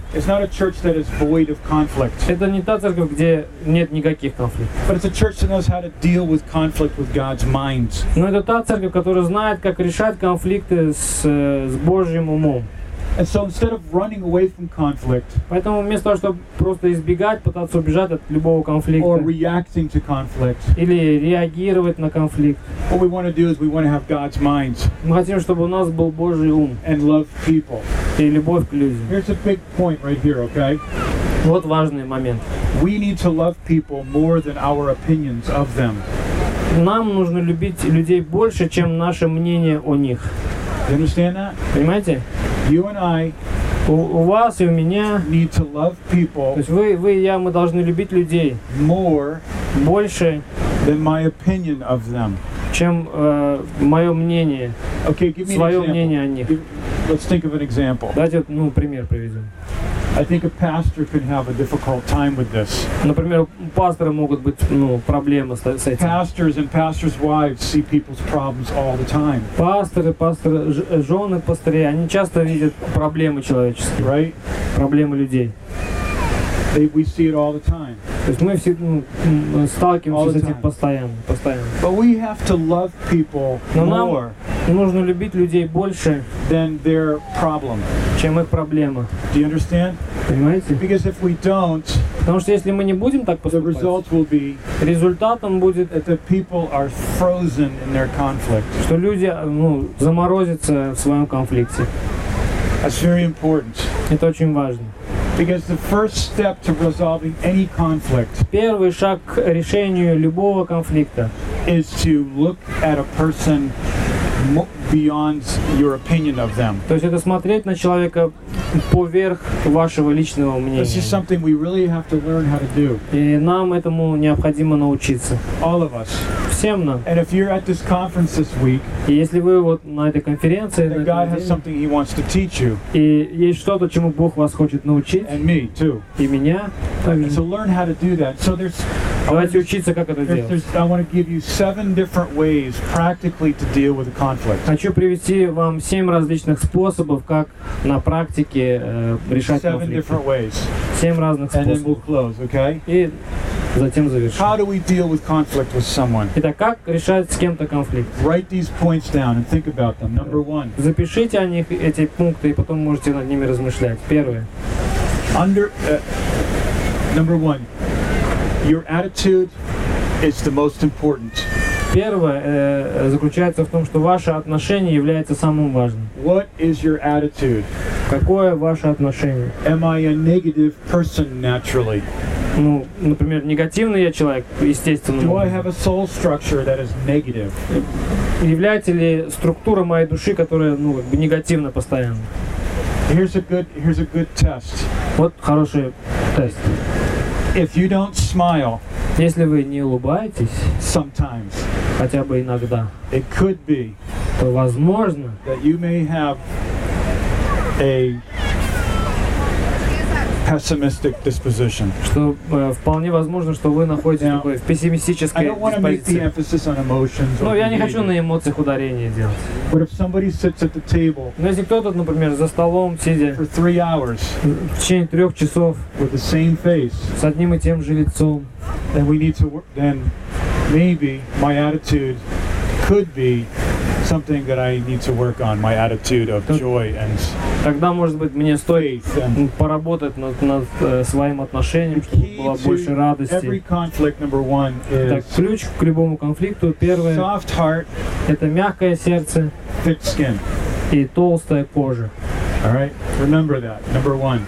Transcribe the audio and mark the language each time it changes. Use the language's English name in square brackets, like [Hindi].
[English] is not a church that is void of conflict. [Russian] Это не та церковь, где нет никаких конфликтов. [English] But it's a church that knows how to deal with conflict with God's mind. [Russian] Но это та церковь, которая знает, как решать конфликты с Божьим умом. [English] And so instead of running away from conflict, [Russian] поэтому вместо того, чтобы просто избегать, пытаться убежать от любого конфликта, [English] or reacting to conflict, [Russian] или реагировать на конфликт, [English] what we want to do is we want to have God's mind. [Russian] Мы хотим, чтобы у нас был Божий ум. [English] And love people. [Russian] И любовь к людям. [English] Here's a big point right here, okay? [Russian] Вот важный момент. [English] We need to love people more than our opinions of them. [Russian] Нам нужно любить людей больше, чем наше мнение о них. [English] You understand that? [Russian] Понимаете? [English] You and I, [Russian] у вас и у меня, [English] need to love people. [Russian] То есть вы и я, мы должны любить людей [English] more, [Russian] больше, [English] than my opinion of them. [Russian] Чем мое мнение. [English] Okay, give me [Russian] свое [English] an example. [Russian] Мнение о них. [English] Let's think of an example. [Russian] Давайте, ну, пример приведем. [English] I think a pastor can have a difficult time with this. [Russian] Например, у пастора могут быть, ну, проблемы с этим. [English] Pastors and pastors' wives see people's problems all the time. [Russian] Пасторы, пасторы, жены пастырей, они часто видят проблемы человеческие. [English] Right? [Russian] Проблемы людей. [English] We see it all the time. [Russian] То есть мы все, ну, сталкиваемся с этим постоянно. [English] But we have to love people more. [Russian] Нужно любить людей больше, [English] than their problem. [Russian] Чем их проблема. [English] Do you understand? [Russian] Понимаете? [English] Because if we don't, [Russian] потому что если мы не будем так поступать, [English] the result will be, [Russian] результатом будет, [English] that the people are frozen in their conflict. [Russian] Что люди, ну, заморозятся в своем конфликте. [English] That's very important. [Russian] Это очень важно. [English] Because the first step to resolving any conflict, [Russian] первый шаг к решению любого конфликта, [English] is to look at a person beyond your opinion of them. [Russian] То есть это смотреть на человека поверх вашего личного мнения. [English] This is something we really have to learn how to do. [Russian] И нам этому необходимо научиться. [English] All of us. [Russian] Всем нам. [English] And if you're at this conference this week, [Russian] и если вы вот на этой конференции, [English] then God has something He wants to teach you. [Russian] И есть что-то, чему Бог вас хочет научить. [English] And me too. [Russian] И меня. [English] So learn how to do that. So there's. [Russian] Давайте учиться, как это делать. [English] I want to give you 7 different ways practically to deal with a conflict. [Russian] Хочу привести вам 7 различных способов, как на практике решать конфликты. [English] 7 different ways. [Russian] 7 разных способов. [English] And then we'll close, okay? [Russian] И затем завершим. [English] How do we deal with conflict with someone? [Russian] Итак, как решать с кем-то конфликт? [English] Write these points down and think about them. Number 1. [Russian] Запишите о них эти пункты и потом можете над ними размышлять. Первое. [English] Number 1. Your attitude is the most important. [Russian] Первое заключается в том, что ваше отношение является самым важным. [English] What is your attitude? [Russian] Какое ваше отношение? [English] Am I a negative person naturally? [Russian] Ну, например, негативный я человек, естественно. [English] Do I have a soul structure that is negative? [Russian] Является ли структура моей души, которая, ну, как бы негативна постоянно? [English] Here's a good test. [Russian] Вот хороший тест. [English] If you don't smile, [Russian] если вы не улыбаетесь, [English] sometimes, [Russian] хотя бы иногда. [English] It could be, [Russian] то возможно, [English] that you may have a pessimistic disposition. [Russian] Что вполне возможно, что вы находитесь такой в пессимистической диспозиции. Но я не хочу на эмоциях ударение делать. Но если кто-то, например, за столом сидит в течение трех часов с одним и тем же лицом, [English] then we need to work, then maybe my attitude could be something that I need to work on, my attitude of joy and [Russian] тогда, может быть, мне стоит поработать над своим отношением, чтобы было больше радости. [English] Conflict, [Russian] так, ключ к любому конфликту, первое, [English] soft heart, [Russian] это мягкое сердце [English] thick skin. [Russian] И толстая кожа. [English] All right? Remember that. Number one.